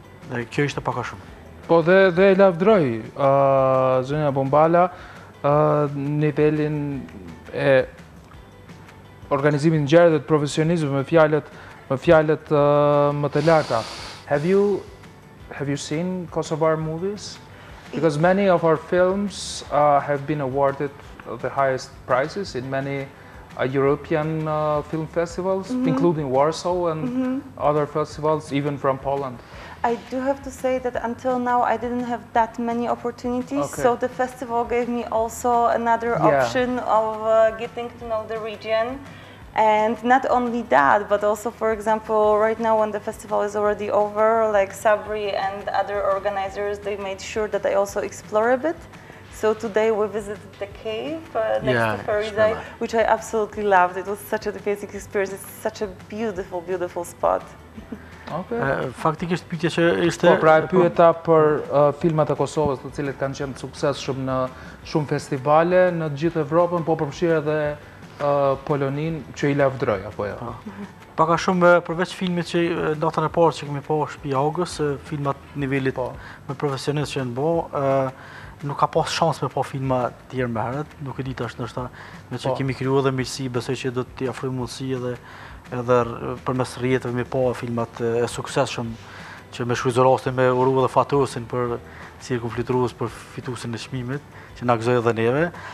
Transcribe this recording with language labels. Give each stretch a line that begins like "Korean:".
Albanian: Dhe kjo ishte pak a shumë. Po dhe e lavdroj, zonja Bombala, nivelin e organizimin ngjarje dhe të profesionizmit me fjalët më të larta.
English: Have you seen Kosovar movies? Because many of our films have been awarded the highest prizes in many European film festivals, mm-hmm. including Warsaw and mm-hmm. other festivals, even from Poland. I do have to say that until now I didn't have that many opportunities, okay. so the festival gave me also another option of getting to know the region. And not only that, but also, for example, right now when the festival is already over, like Sabri and other organizers, they made sure that I also explore a bit. So today we visited the cave next to Ferizaj, which I absolutely loved. It was such a basic experience. It's such a beautiful, beautiful spot. Okay.
Albanian: Faktikisht pyetja që ishte pra pyeta për filmat e Kosovës, të cilët kanë qenë suksesshëm në shumë festivale në të gjithë Evropën, po përfshirë edhe Polonin, që I lavdroj apo jo. Pak a shumë përveç filmit që natën e parë që kemi pa shtëpi August, filmat nivelit më profesionist që janë bë, nuk ka pas shans me pa filma të tjerë më herët, nuk e di tash ndoshta me çka kemi krijuar dhe miqësi, besoj që do t'i afrojmë mundësi edhe përmes rrjeteve me pa filmat e suksesshëm që me shfrytëzuarse me uru dhe fatosin për cirkumflitrues për fituesin e çmimit që na gëzoi edhe neve.